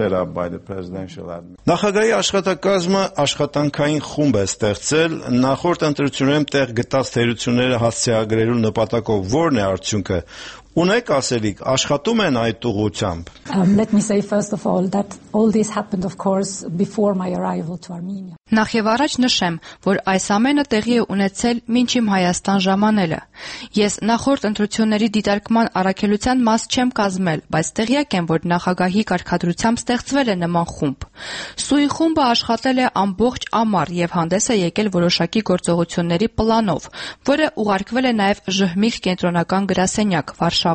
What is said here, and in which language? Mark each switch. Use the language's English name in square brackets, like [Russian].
[Armenian] Նախագահի աշխատակազմը աշխատանքային խումբ է ստեղծել նախորդ ընտրություններում տեղ գտած թերությունները հասցեագրելու նպատակով, որն է արդյունքը։ Ունեք ասելիք, աշխատում են այդ ուղությամբ։ [English] Let me say first of all that all this happened of course before my arrival to Armenia. [Armenian] Նախ եւ առաջ նշեմ, որ այս ամենը տեղի է ունեցել մինչ իմ Հայաստան ժամանելը։ Ես նախորդ ընտրությունների դիտարկման առաքելության մաս չեմ կազմել, բայց տեղյակ եմ, որ նախագահի կարգադրությամբ ստեղծվել է նման խումբ։ Սույն խումբը աշխատել է ամբողջ ամառ եւ հանդես է եկել որոշակի գործողությունների պլանով, որը ուղարկվել է նաեւ ԺՀՄԻԿ կենտրոնական գրասենյակ Վարշավա։